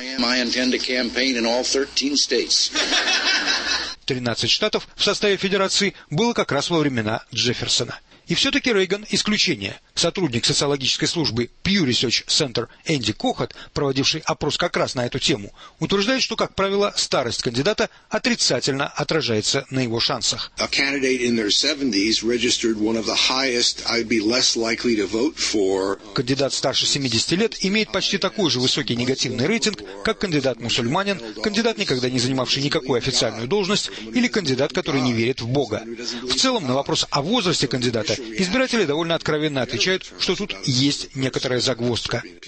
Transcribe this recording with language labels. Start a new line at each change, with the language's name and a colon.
Russian: 13 штатов в составе федерации было как раз во времена Джефферсона. И все-таки Рейган – исключение. Сотрудник социологической службы Pew Research Center Энди Кохот, проводивший опрос как раз на эту тему, утверждает, что, как правило, старость кандидата отрицательно отражается на его шансах.
English: A candidate in their 70s registered one of the highest I'd be less likely to vote for.
Russian: Кандидат старше 70 лет имеет почти такой же высокий негативный рейтинг, как кандидат-мусульманин, кандидат, никогда не занимавший никакую официальную должность, или кандидат, который не верит в Бога. В целом, на вопрос о возрасте кандидата избиратели довольно откровенно отвечают, что тут есть некоторая загвоздка.